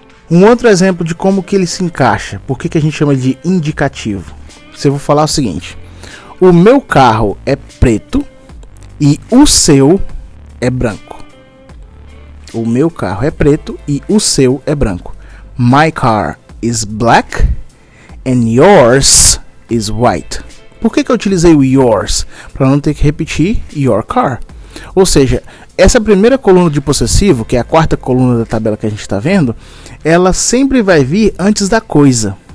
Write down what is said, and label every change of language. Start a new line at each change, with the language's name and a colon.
Portuguese: Um outro exemplo de como que ele se encaixa. Por que que a gente chama de indicativo? Eu vou falar o seguinte. O meu carro é preto e o seu é branco. O meu carro é preto e o seu é branco.
English: My car is black and yours is white.
Portuguese: Por que que eu utilizei o yours? Para não ter que repetir
English: your car.
Portuguese: Ou seja, essa primeira coluna de possessivo, que é a quarta coluna da tabela que a gente está vendo, ela sempre vai vir antes da coisa.